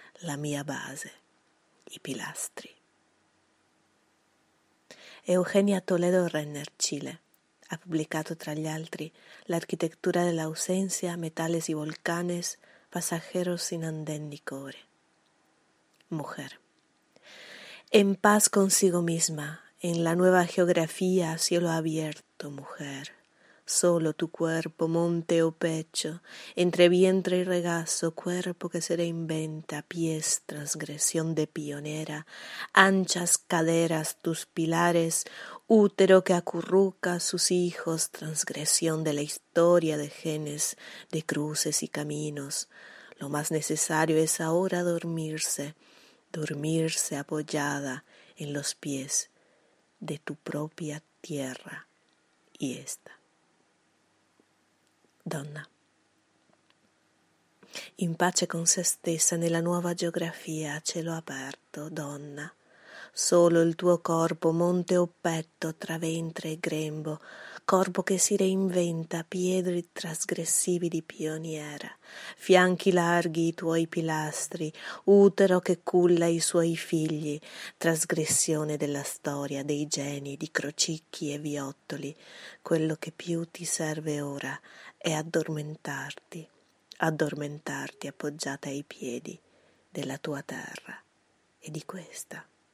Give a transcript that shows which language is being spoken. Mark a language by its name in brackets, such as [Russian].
[Italian] La mia base, i pilastri. Eugenia Toledo Renner, Chile, ha pubblicato tra gli altri L'architettura dell'ausenza, metales y volcanes, pasajeros sin andén ni cobre. [Spanish] Mujer. En paz consigo misma, en la nueva geografía, cielo abierto, mujer. solo tu cuerpo, monte o pecho, entre vientre y regazo, cuerpo que se reinventa, pies, transgresión de pionera, anchas caderas, tus pilares, útero que acurruca a sus hijos, transgresión de la historia de genes, de cruces y caminos. Lo más necesario es ahora dormirse, dormirse apoyada en los pies de tu propia tierra y esta. [Italian] Donna. In pace con se stessa nella nuova geografia a cielo aperto, donna. Solo il tuo corpo, monte o petto, tra ventre e grembo, corpo che si reinventa, piedi trasgressivi di pioniera, fianchi larghi i tuoi pilastri, utero che culla i suoi figli, trasgressione della storia, dei geni, di crocicchi e viottoli, quello che più ti serve ora è addormentarti, addormentarti appoggiata ai piedi della tua terra e di questa.